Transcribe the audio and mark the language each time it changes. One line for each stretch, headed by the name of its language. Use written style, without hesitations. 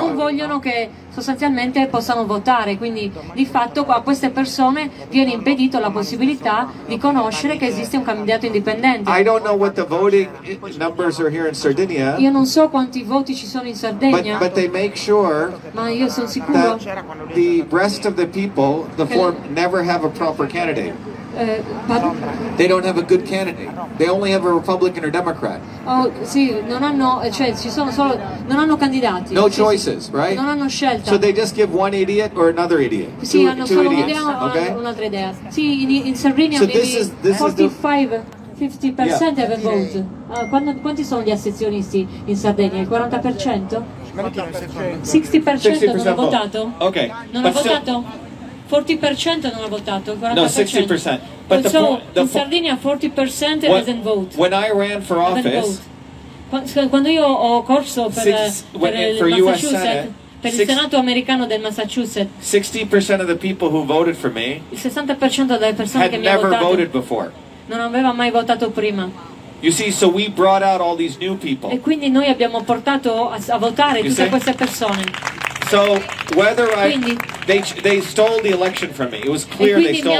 Italian: Non vogliono che sostanzialmente possano votare, quindi di fatto a queste persone viene impedito la possibilità di conoscere che esiste un candidato indipendente.
English: I don't know what the voting numbers are here in Sardinia.
Italian: Io non so quanti voti ci sono in Sardegna.
English: But they make sure.
Italian: Ma io sono sicuro.
English: The rest of the people, the four, never have a proper candidate. They don't have a good candidate. They only have a Republican or Democrat.
Italian: Oh, sì, non hanno, cioè, ci sono solo, non hanno candidati.
English: No choices, right?
Italian: Non hanno scelta.
English: So they just give one idiot or another idiot.
Italian: Sì, hanno solo un'idea, okay? Un'altra idea. Sì, in Sardinia
English: so maybe 50% have voted.
Italian: Quanti sono gli astensionisti in Sardegna? Il 40%? 60% non ha votato? Ok. Non ha votato? 40% non ha votato, 40%.
English: No, 60%. But the in Sardinia 40% doesn't vote. When I ran for office,
Italian: quando io ho corso per il Massachusetts, per il Senato americano del Massachusetts,
English: 60% of the people who voted for me,
Italian: il 60% delle persone che mi hanno votato,
English: never voted before.
Italian: Non aveva mai votato prima.
English: You see, so we brought out all these new people.
Italian: E quindi noi abbiamo portato a votare tutte queste persone.
English: So whether they stole the election from me. It was clear they stole it.